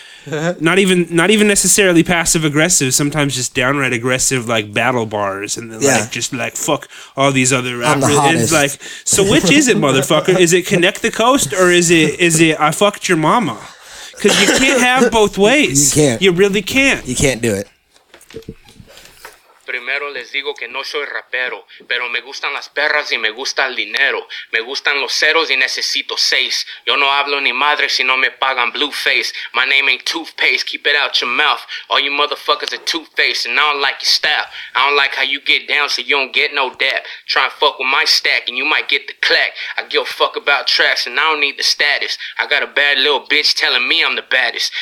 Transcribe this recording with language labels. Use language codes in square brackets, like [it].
[en] not even necessarily passive aggressive, sometimes just downright aggressive, like battle bars, and yeah. like just like fuck all these other rappers. I'm the hottest. And like, so which is it, motherfucker? Is it Connect the Coast or is it I fucked your mama? Because you can't have both ways. You can't. You really can't. You can't do it. [es] Primero les digo que no soy rapero, pero me gustan las perras y me gusta el dinero. Me gustan los ceros y necesito seis. Yo no hablo ni madre si no me pagan blue face. [en] My name ain't toothpaste, keep it out your mouth. All you motherfuckers are toothpaste and I don't like your style. I don't like how you get down so you don't get no dap. Try and fuck with my stack and you might get the clack. I give a fuck about tracks and I don't need the status. I got a bad little bitch telling me I'm the baddest.